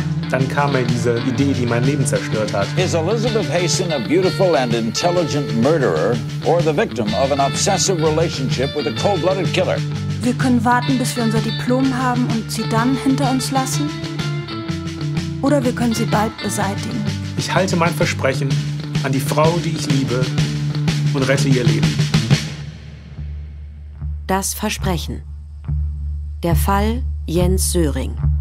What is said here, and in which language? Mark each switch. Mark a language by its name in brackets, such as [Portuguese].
[German] Dann kam mir diese Idee, die mein Leben zerstört hat. [English] Is Elizabeth Haysom a beautiful and intelligent murderer or the victim of an obsessive relationship with a cold-blooded killer? [German] Wir können warten, bis wir unser Diplom haben und sie dann hinter uns lassen. Oder wir können sie bald beseitigen. Ich halte mein Versprechen an die Frau, die ich liebe, und rette ihr Leben. Das Versprechen. Der Fall Jens Söring.